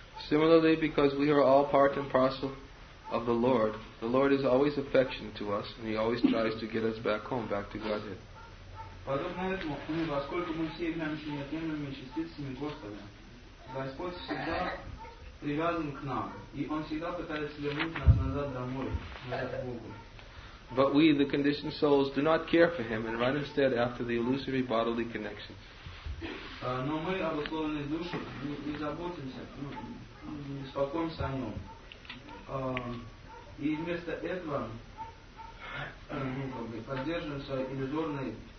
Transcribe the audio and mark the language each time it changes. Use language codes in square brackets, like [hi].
[en] Similarly, because we are all part and parcel of the Lord is always affectionate to us, and he always tries to get us back home, back to Godhead. [ru] Подобно этому, поскольку мы все являемся неотъемлемыми частицами Господа, Господь всегда привязан к нам, и Он всегда пытается вернуть нас назад домой, назад к Богу. [en] But we, the conditioned souls, do not care for Him and run instead after the illusory bodily connections. [ru] Но мы, обусловленные души, не заботимся, не беспокоимся о Нем. И вместо этого поддерживаем свои иллюзорные